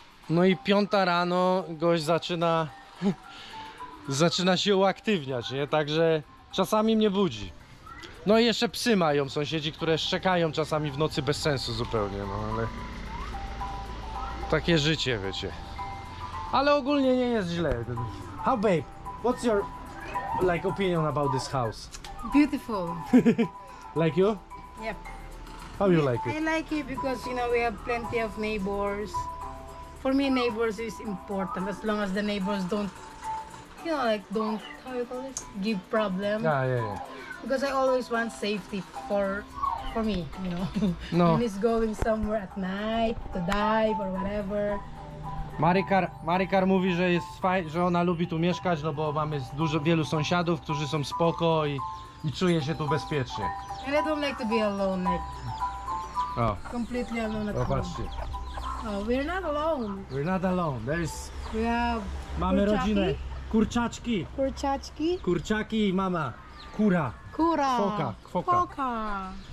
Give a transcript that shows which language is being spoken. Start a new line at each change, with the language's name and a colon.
Polish: No i piąta rano gość zaczyna zaczyna się uaktywniać, nie? Także czasami mnie budzi. No i jeszcze psy mają sąsiedzi, które szczekają czasami w nocy bez sensu zupełnie, no ale... Takie życie, wiecie. Ale ogólnie nie jest źle.
English: How babe, what's your like opinion about this house? Beautiful. Like you? Yep. How you like it? I like it because, you know, we have plenty of neighbors. For me, neighbors is important. As long as the neighbors don't, you know, like, don't, how you call it? Give problem. Yeah. Because I always want safety for me, you know. No. When it's going somewhere at night to dive or whatever.
Polish: Marikar mówi, że jest fajnie, że ona lubi tu mieszkać, no bo mamy dużo wielu sąsiadów, którzy są spoko i czuje się tu bezpiecznie.
English: And I don't like to be alone, like, completely alone at home.
Polish: Zobaczcie.
English: We're not alone. We're not alone. There is... We have...
Polish: Mamy kurczaki? Rodzinę. Kurczaczki. Kurczaczki. Kurczaki i mama. Kura. Kura. Kwoka. Kwoka. Kwoka.